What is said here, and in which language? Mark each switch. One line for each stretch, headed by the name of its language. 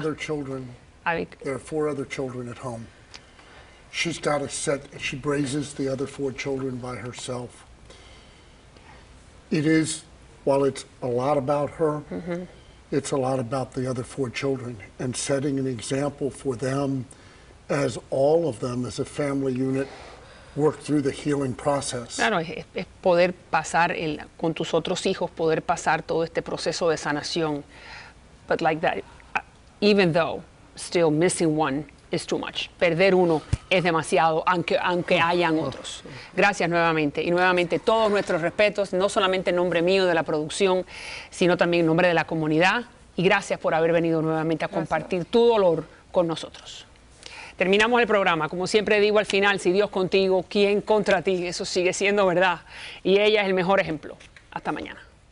English: there are four other children. There are four other children at home. She's got a set, she raises the other four children by herself. It is, while it's a lot about her, it's a lot about the other four children and setting an example for them as all of them as a family unit work through the healing process.
Spanish: Claro, es poder pasar el, con tus otros hijos, poder pasar todo este proceso de sanación.
English: But like that, even though still missing one is too much.
Spanish: Perder uno es demasiado, aunque hayan otros. Gracias nuevamente. Y nuevamente todos nuestros respetos, no solamente en nombre mío de la producción, sino también en nombre de la comunidad. Y gracias por haber venido nuevamente a compartir tu dolor con nosotros. Terminamos el programa. Como siempre digo al final, si Dios contigo, ¿quién contra ti? Eso sigue siendo verdad. Y ella es el mejor ejemplo. Hasta mañana.